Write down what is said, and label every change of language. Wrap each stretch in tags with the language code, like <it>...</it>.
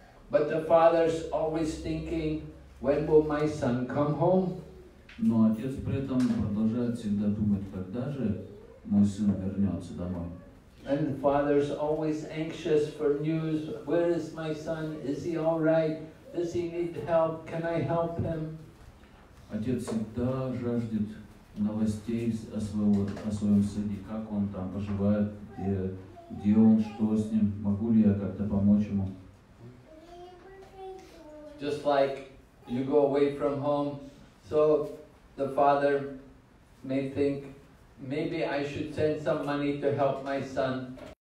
<en>But the father's always thinking, when will my son come home?</en> <ru>Но отец при этом продолжает всегда думать, когда же мой сын вернется домой.</ru> <en>And the father is always anxious for news. Where is my son? Is he all right? Does he need help? Can I help him?</en> <ru>Отец всегда жаждет новостей о своем сыне. Как он там поживает? Где он? Что с ним? Могу ли я как-то помочь ему?</ru> <en>Just like you go away from home, so the father may think, maybe I should send some money to help my son.</en>